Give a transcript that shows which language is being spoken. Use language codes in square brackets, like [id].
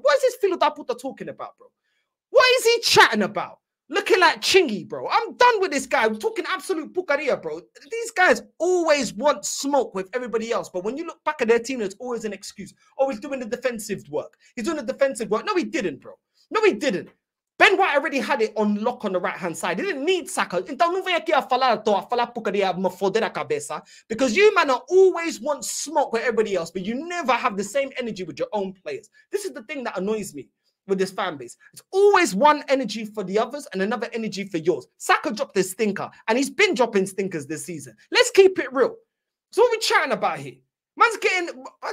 [en] What is this [pt] filho da puta [en] talking about, bro? What is he chatting about? Looking like Chingy, bro. I'm done with this guy. We're talking absolute bucaria, bro. These guys always want smoke with everybody else. But when you look back at their team, there's always an excuse. Oh, he's doing the defensive work. He's doing the defensive work. No, he didn't, bro. No, he didn't. Ben White already had it on lock on the right-hand side. He didn't need Saka. [pt] Então não venha aqui a falar to a falar bucaria, me foder a cabeça. [en] Because you, man, always want smoke with everybody else. But you never have the same energy with your own players. This is the thing that annoys me with this fan base. It's always one energy for the others and another energy for yours. Saka dropped a stinker and he's been dropping stinkers this season. Let's keep it real. So what are we chatting about here? Man's getting...